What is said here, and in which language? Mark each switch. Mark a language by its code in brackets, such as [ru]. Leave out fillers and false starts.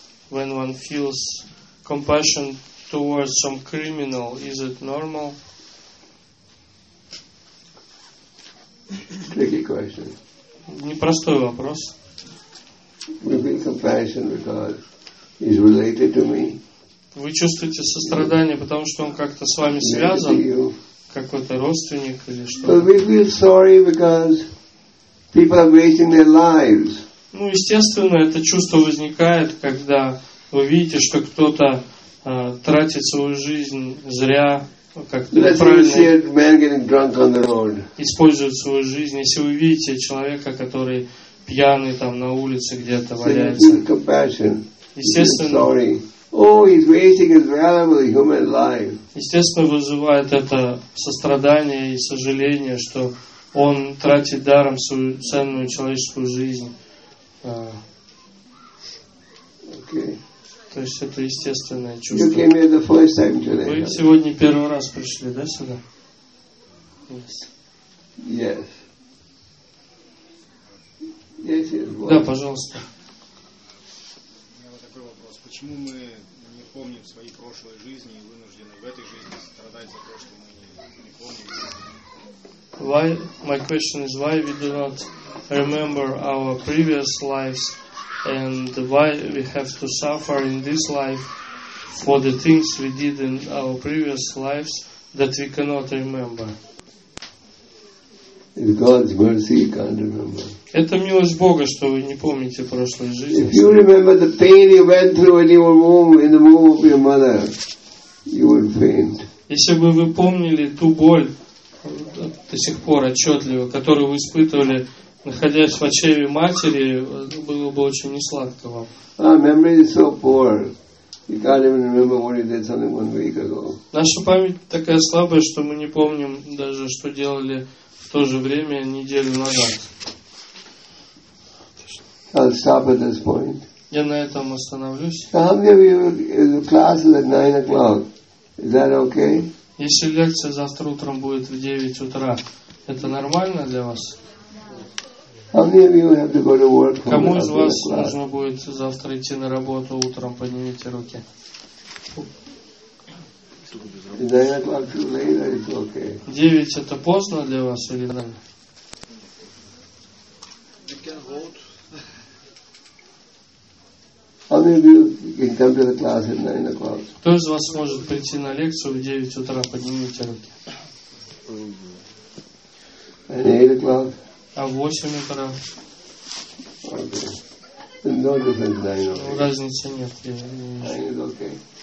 [en] When one feels compassion towards some criminal, is it normal? Tricky question. [ru] Непростой вопрос. [en] We feel compassion because he's related to me. [ru] Вы чувствуете сострадание, потому что он как-то с вами связан, какой-то родственник или что-то. [en] But we feel sorry because people are wasting their lives. [ru] Ну, естественно, это чувство возникает, когда вы видите, что кто-то тратит свою жизнь зря, как-то неправильно использует свою жизнь. Если вы видите человека, который пьяный там на улице где-то валяется, естественно, естественно, вызывает это сострадание и сожаление, что он тратит даром свою ценную человеческую жизнь. То есть это естественное чувство. [en] You came here the first time today. [ru] Вы сегодня первый раз пришли, да, сюда? [en] Yes. [ru] Да, пожалуйста. У меня вот такой вопрос. Почему мы не помним свои прошлые жизни и вынуждены в этой жизни страдать за то, что мы не помним? [en] Why, my question is, why we do not remember our previous lives? And why we have to suffer in this life for the things we did in our previous lives that we cannot remember? It's God's mercy, you can't remember. [ru] Это милость Бога, что вы не помните прошлой жизни. [en] If you remember the pain you went through when you were in the womb of your mother, you would faint. [ru] Если бы вы помнили ту боль до сих пор отчетливо, которую вы испытывали, находясь в чреве матери, было бы очень несладко вам. [en] Memory is so poor. You can't even remember what you did something 1 week ago. [ru] Наша память такая слабая, что мы не помним даже, что делали в то же время неделю назад. [en] I'll stop at this point. [ru] Я на этом остановлюсь. [en] How many of you have classes at 9 o'clock? Is that okay? [ru] Если лекция завтра утром будет в 9 утра, это нормально для вас? [en] How many of you have to go to work? [ru] Кому из вас нужно будет завтра идти на работу утром? Поднимите руки. Девять это поздно для вас или нет? [en] We can vote. How many of you can come to the class at 9 o'clock? [ru] Кто из вас может прийти на лекцию в 9 утра? Поднимите руки. [en] At 8 o'clock. [ru] А в 8 утра? [en] Okay. No, [ru] разницы нет. [en] 9 okay.